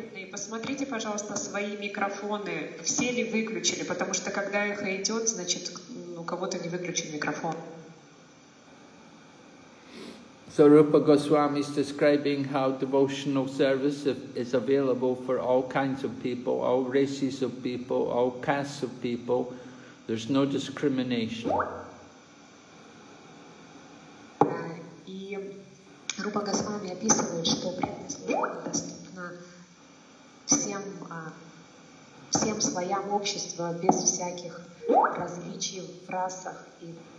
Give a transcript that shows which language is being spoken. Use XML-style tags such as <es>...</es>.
<ru>Посмотрите, пожалуйста, свои микрофоны. Все ли выключили? Потому что когда эхо идет, значит, у кого-то не выключен микрофон.</ru> <en>So Rupa Goswami is describing how devotional service is available for all kinds of people, all races of people, all castes of people. There's no discrimination.</en> <ru>И Рупа Госвами описывает, что преданность доступна всем, всем слоям общества без всяких различий в расах и...</ru>